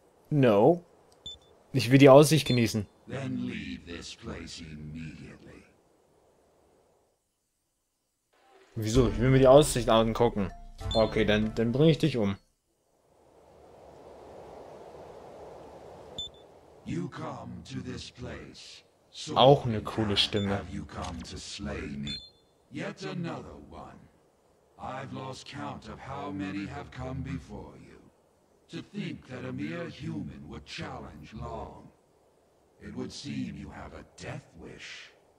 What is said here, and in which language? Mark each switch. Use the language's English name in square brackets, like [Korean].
[English] No. [German] Ich will die Aussicht genießen. [English] Then leave this place immediately. [German] Wieso? Ich will mir die Aussicht angucken. Okay, dann bringe ich dich um. [English] You come to this place. [German] So auch eine coole Stimme. [English] Have you come to slay me? Yet another one. I've lost count of how many have come before you. To think that a mere human would challenge long. It would seem you have a death wish.